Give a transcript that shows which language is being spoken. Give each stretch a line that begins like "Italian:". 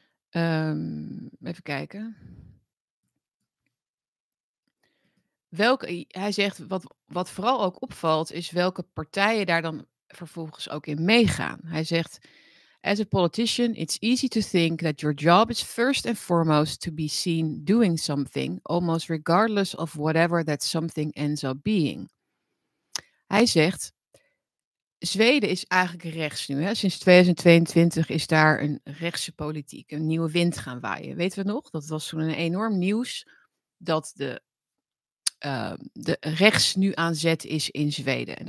Dutch: even kijken. Hij zegt, wat vooral ook opvalt, is welke partijen daar dan vervolgens ook in meegaan. Hij zegt,
English: as a politician, it's easy to think that your job is first and foremost to be seen doing something, almost regardless of whatever that something ends up being.
Dutch: Hij zegt, Zweden is eigenlijk rechts nu. Hè? Sinds 2022 is daar een rechtse politiek, een nieuwe wind gaan waaien. Weten we nog? Dat was toen een enorm nieuws dat de rechts nu aan zet is in Zweden.